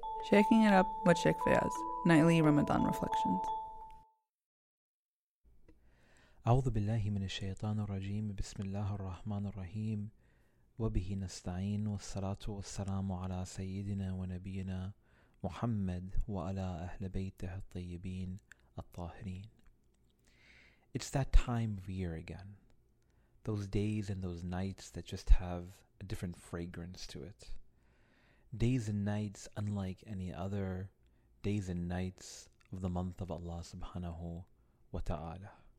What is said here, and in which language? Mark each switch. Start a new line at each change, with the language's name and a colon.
English: Shaking it up with Sheikh Fayaz, Nightly Ramadan Reflections.
Arabic: أعوذ بالله من الشيطان الرجيم بسم الله الرحمن الرحيم وبه نستعين والصلاة والسلام على سيدنا ونبينا محمد وعلى أهل بيته الطيبين الطاهرين.
English: It's that time of year again. Those days and those nights that just have a different fragrance to it. Days and nights unlike any other days and nights of the month of Allah subhanahu wa ta'ala.